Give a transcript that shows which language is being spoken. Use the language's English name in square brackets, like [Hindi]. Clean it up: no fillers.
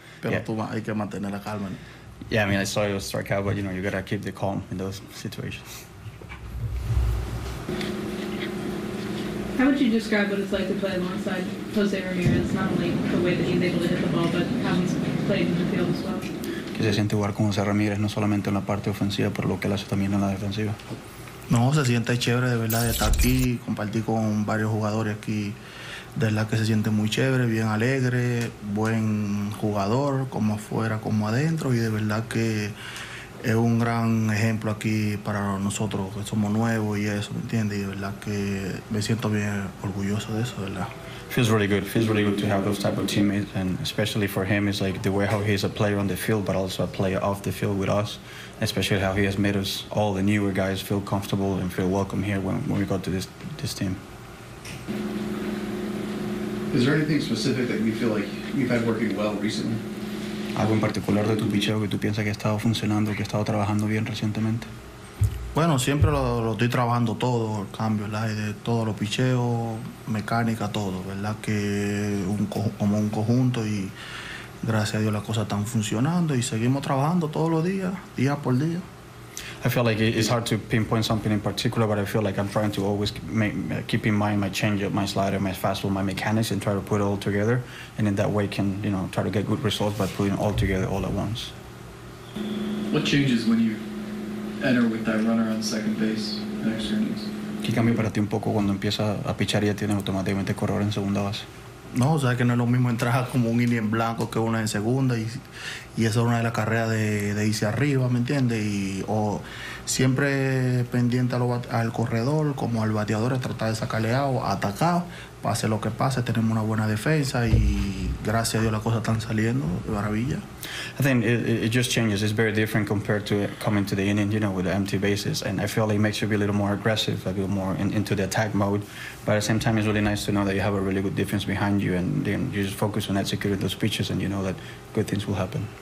[Spanish] Pero yeah. Tú hay que mantener la calma, ¿no? [English] Yeah, I mean, I saw you strike out, but, you know, you gotta keep the calm in those situations. How would you describe what it's like to play alongside Jose Ramirez, not only the way that he's able to hit the ball, but how he's played in the field as well? [Spanish] Que se siente jugar con José Ramírez, no solamente en la parte ofensiva, pero lo que él hace también en la defensiva. No, se siente chévere, de verdad, de estar aquí, compartir con varios jugadores aquí. De verdad que se siente muy chévere, bien alegre, buen jugador, como afuera, como adentro. Y de verdad que es un gran ejemplo aquí para nosotros, que somos nuevos y eso, ¿me entiendes? Y de verdad que me siento bien orgulloso de eso, de verdad. [English] Feels really good to have those type of teammates, and especially for him, it's like the way how he's a player on the field, but also a player off the field with us, especially how he has made us, all the newer guys, feel comfortable and feel welcome here when we got to this team. Is there anything specific that you feel like you've had working well recently? [Spanish] ¿Algo en particular de tu picheo que tú piensas que ha estado funcionando, que ha estado trabajando bien recientemente? Bueno, siempre lo estoy trabajando todo, el cambio, ¿verdad? De todos los picheos, mecánica, todo, ¿verdad? Que como un conjunto y gracias a Dios las cosas están funcionando y seguimos trabajando todos los días, día por día. [English] I feel like it's hard to pinpoint something in particular, but I feel like I'm trying to always keep in mind my changeup, my slider, my fastball, my mechanics, and try to put it all together. And in that way can, you know, try to get good results by putting it all together all at once. What changes when you enter with that runner on second base next innings? [Spanish] ¿Qué cambia para ti un poco cuando empiezas a pichar y ya tienes automáticamente corredor en segunda base? No, o sea que no es lo mismo entrar como un inning en blanco que una en segunda y eso es una de las carreras de irse arriba, ¿me entiendes? Y o siempre pendiente al corredor, como al bateador, a tratar de sacarle out, atacar, pase lo que pase, tenemos una buena defensa y gracias a Dios las cosas están saliendo de maravilla. [English] I think it just changes. It's very different compared to coming to the inning, you know, with the empty bases. And I feel like it makes you be a little more aggressive, a little more into the attack mode. But at the same time, it's really nice to know that you have a really good defense behind you and you just focus on executing those pitches and you know that good things will happen.